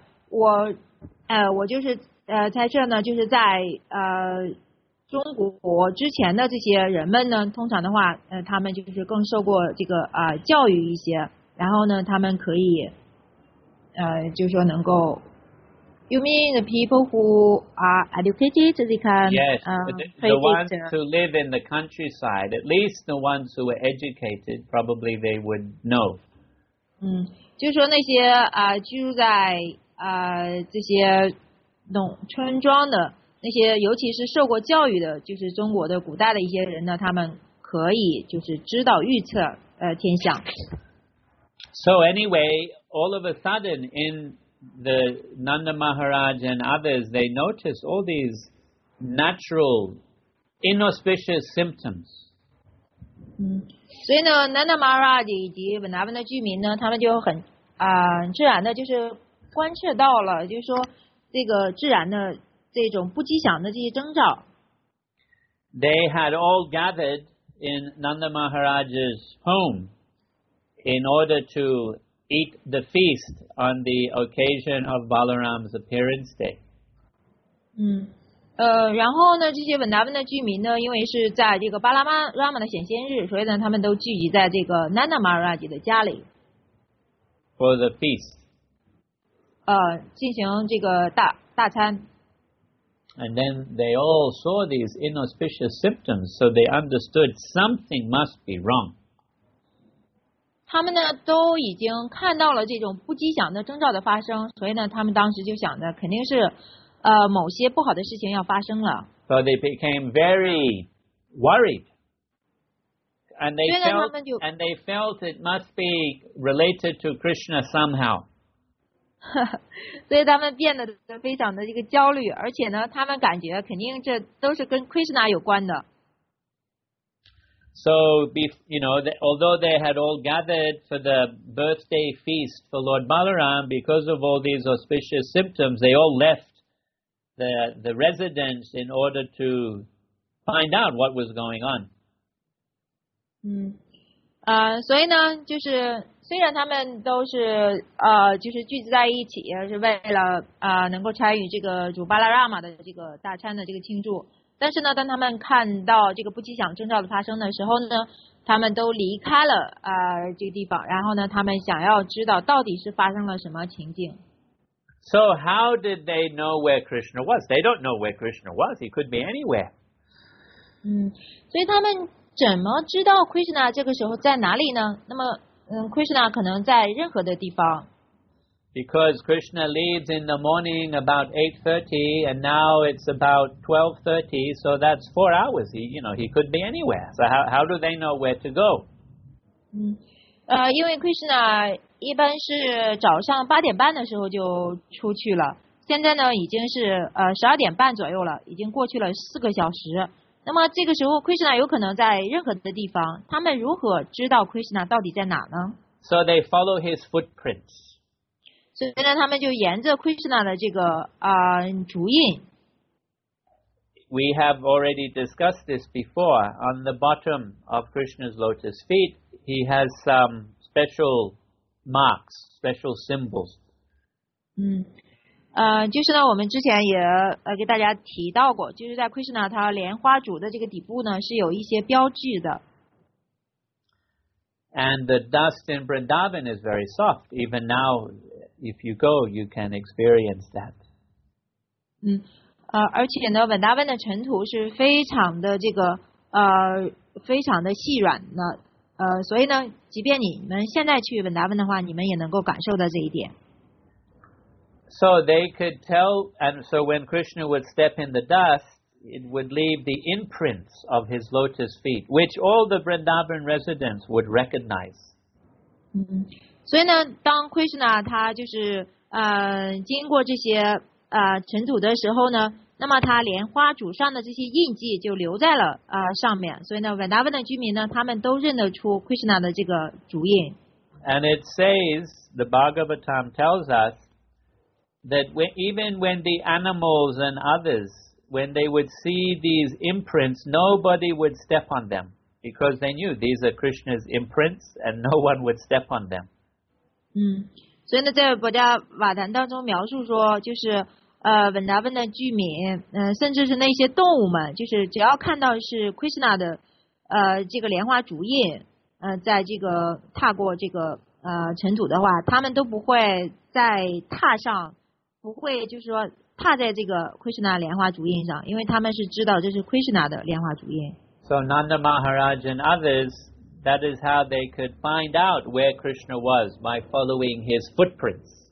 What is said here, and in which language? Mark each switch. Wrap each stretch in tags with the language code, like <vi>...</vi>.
<zh>我就是在这呢，就是在中国之前的这些人们呢，通常的话，他们就是更受过这个教育一些，然后呢，他们可以，就是说能够。</zh> <en>You mean the people who are educated, they can the ones who live in the countryside, at least the ones who are educated, probably they would know.</en> <zh>就是说那些居住在这些农村庄的。那些尤其是受过教育的，就是中国的古代的一些人呢，他们可以就是知道预测天象。</zh> <en>So anyway, all of a sudden in the Nanda Maharaj and others, they notice all these natural, inauspicious symptoms.</en> <zh>所以呢 ,Nanda Maharaj 以及 Vrindavan 的居民呢他们就很自然的就是观测到了就是说这个自然的这种不吉祥的这些征兆。</zh> <en>They had all gathered in Nanda Maharaj's home in order to eat the feast on the occasion of Balaram's appearance day.</en> <zh>然后呢这些文达文的居民呢因为是在这个巴拉玛拉玛的显现日所以呢他们都聚集在这个 Nanda Maharaj 的家里。</zh> <en>For the feast.</en> <zh>进行这个大餐。</zh> <en>And then they all saw these inauspicious symptoms, so they understood something must be wrong.</en> <zh>他们呢都已经看到了这种不吉祥的征兆的发生所以呢他们当时就想着肯定是某些不好的事情要发生了。</zh> <en>So they became very worried. And they felt it must be related to Krishna somehow.</en> <zh>所以他们变得非常的这个焦虑而且呢他们感觉肯定这都是跟 Krishna 有关的。</zh> <en>So, you know, although they had all gathered for the birthday feast for Lord Balaram, because of all these auspicious symptoms, they all left the residence in order to find out what was going on.</en> <zh>所以呢，就是虽然他们都是就是聚集在一起，是为了能够参与这个主巴拉拉玛的这个大餐的这个庆祝。但是呢，当他们看到这个不吉祥征兆的发生的时候呢，他们都离开了这个地方。然后呢，他们想要知道到底是发生了什么情景。</zh> <en>So how did they know where Krishna was? They don't know where Krishna was. He could be anywhere.</en> <zh>所以他们怎么知道 Krishna 这个时候在哪里呢？那么Krishna 可能在任何的地方。</zh> <en>Because Krishna leaves in the morning about 8:30, and now it's about 12:30, so that's 4 hours. He could be anywhere. So how do they know where to go?</en> <zh>因为 Krishna 一般是早上八点半的时候就出去了，现在呢已经是12:30左右了，已经过去了4个小时。那么这个时候 Krishna 有可能在任何的地方，他们如何知道 Krishna 到底在哪呢？</zh> <en>So they follow his footprints.</en> <zh>所以呢，他们就沿着 Krishna 的这个足印。</zh> <en>We have already discussed this before. On the bottom of Krishna's lotus feet, he has some special marks, special symbols.</en> <zh>就是呢，我们之前也给大家提到过，就是在 Krishna 他莲花足的这个底部呢，是有一些标志的。</zh> <en>And the dust in Vrindavan is very soft, even now. If you go, you can experience that.</en> <zh>而且呢，文达温的尘土是非常的这个非常的细软的，所以呢，即便你们现在去文达温的话，你们也能够感受到这一点。</zh> <en>So they could tell, and so when Krishna would step in the dust, it would leave the imprints of his lotus feet, which all the Vrindavan residents would recognize.</en> <zh>所以呢，当 Krishna 他就是经过这些尘土的时候呢，那么他莲花主上的这些印记就留在了上面。所以呢 ，Vrindavan 的居民呢，他们都认得出 Krishna 的这个足印。</zh> <en>And it says the Bhagavatam tells us that even when the animals and others, when they would see these imprints, nobody would step on them because they knew these are Krishna's imprints and no one would step on them.</en> <zh>所以呢在博迦瓦坛当中描述说就是文达温的居民甚至是那些动物们就是只要看到是 Krishna 的这个莲花足印在这个踏过这个尘土的话他们都不会再踏上不会就是说踏在这个 Krishna 莲花足印上因为他们是知道这是 Krishna 的莲花足印。</zh> <en>So Nanda Maharaj and others,That is how they could find out where Krishna was by following his footprints.</en>